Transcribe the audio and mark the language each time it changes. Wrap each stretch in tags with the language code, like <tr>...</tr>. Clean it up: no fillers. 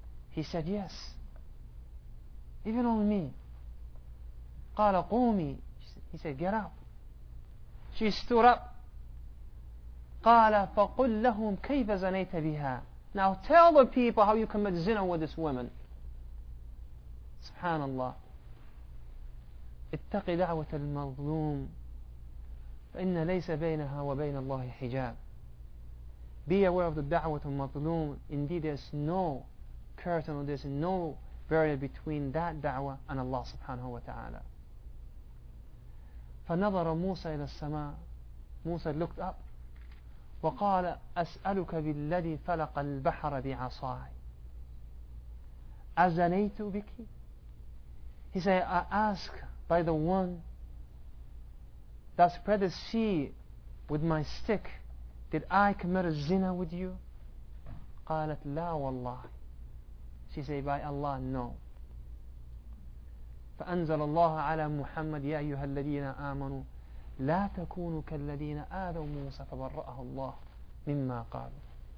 <en>He said, yes. Even on me.</en> <ar>قَالَ قُومِ.</ar> <en>He said, get up. She stood up.</en> <ar>قال فقل لهم كيف زنيت بها.</ar> <en>Now tell the people how you commit zina with this woman.</en> <ar>سبحان الله. اتق دعوة المظلوم فإن ليس بينها وبين الله حجاب.</ar> <en>Be aware of the</en> <ar>دعوة المظلوم.</ar> <en>Indeed there is no curtain or there is no barrier between that دعوة and Allah</en> <ar>سبحانه وتعالى. فنظر موسى إلى السماء.</ar> <en>Musa looked up.</en> <ar>وقال أسألك بالذي فلق البحر بعصاي أزنيت بك.</ar> <en>He said, I ask by the one that spread the sea with my stick, did I commit a zina with you?</en> <ar>قالت لا والله.</ar> <en>She said, by Allah, no.</en> <ar>فأنزل الله على محمد يا أيها الذين آمنوا لا تكونوا كالذين آذوا موسى فبرأه الله مما قالوا.</ar>